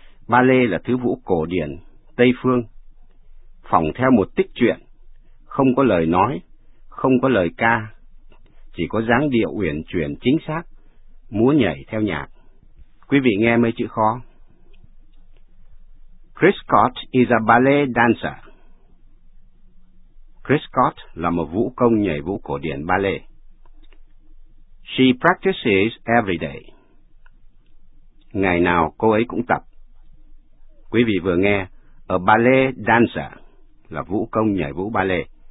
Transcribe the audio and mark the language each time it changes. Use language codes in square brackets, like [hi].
[vi] Ballet là thứ vũ cổ điển Tây phương, phỏng theo một tích truyện, không có lời nói, không có lời ca, chỉ có dáng điệu uyển chuyển chính xác, múa nhảy theo nhạc. Quý vị nghe mấy chữ khó. [en] Chris Scott is a ballet dancer. [vi] Chris Scott là một vũ công nhảy vũ cổ điển ballet. [en] She practices every day. [vi] Ngày nào cô ấy cũng tập. Quý vị vừa nghe, [en] a ballet dancer [vi] là vũ công nhảy vũ ballet.